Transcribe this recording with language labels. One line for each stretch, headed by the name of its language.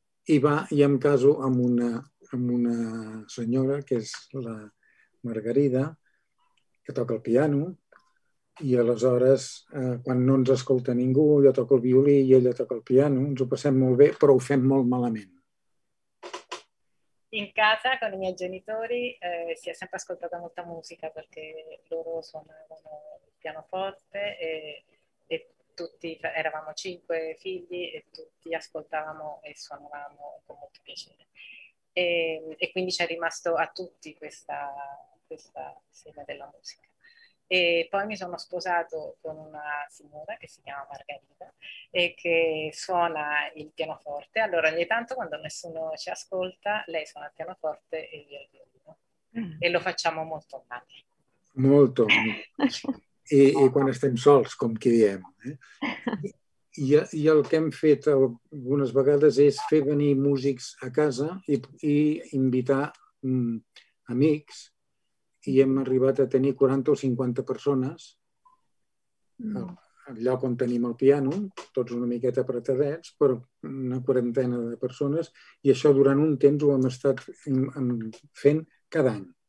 Catalan: I em caso amb una senyora, que és la Margarida, que toca el piano, I aleshores, quan no ens escolta ningú, jo toco el violí i ella toca el piano, ens ho passem molt bé, però ho fem molt malament.
Italian: In casa, con i miei genitori, si è sempre ascoltata molta musica perché loro suonavano il pianoforte e tutti, eravamo cinque figli e tutti ascoltavamo e suonavamo con molto piacere. E quindi c'è rimasto a tutti questa sede della musica. E poi mi sono sposato con una signora che si chiama Margherita e che suona il pianoforte. Allora ogni tanto quando nessuno ci ascolta, lei suona il pianoforte e io il violino. E lo facciamo molto male. Molto. E quando stiamo soli, come chiediamo.
Catalan: I el che hem fet algunes vegades és fer venir músics a casa i invitar amics. I hem arribat a tenir 40 o 50 persones al lloc on tenim el piano, tots una miqueta apretadets, però una quarantena de persones, i això durant un temps ho hem estat fent cada any.